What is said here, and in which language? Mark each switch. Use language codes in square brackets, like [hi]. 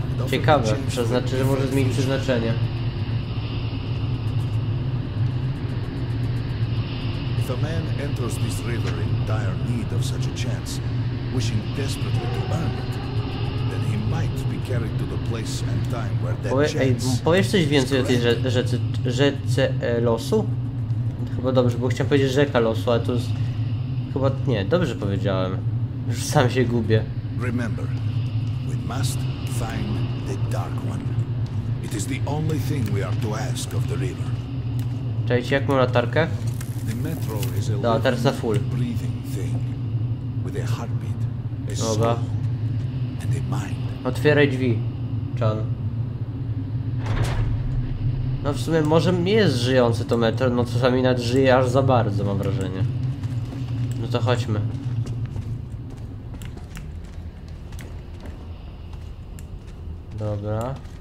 [pl] Ciekawe, to znaczy, że może zmienić przeznaczenie. [en] If a man enters this river in dire need of such a chance, wishing desperately to earn it, then he might be carried to the place and time where that [pl] Powiesz coś więcej o tej rzece losu? Chyba dobrze, bo chciałem powiedzieć rzeka losu, ale to jest... Chyba nie, dobrze powiedziałem. Już sam się gubię. [en] Remember, we must find the Dark One. It is the only thing we are to ask of the river. [pl] Cześć, jak mam latarkę? [en] The metro is a living, breathing thing with a heartbeat, a soul, and a mind. [pl] Otwieraj drzwi, John. No w sumie może nie jest żyjące to metro, no czasami nawet żyje aż za bardzo, mam wrażenie. No to chodźmy. Dobra.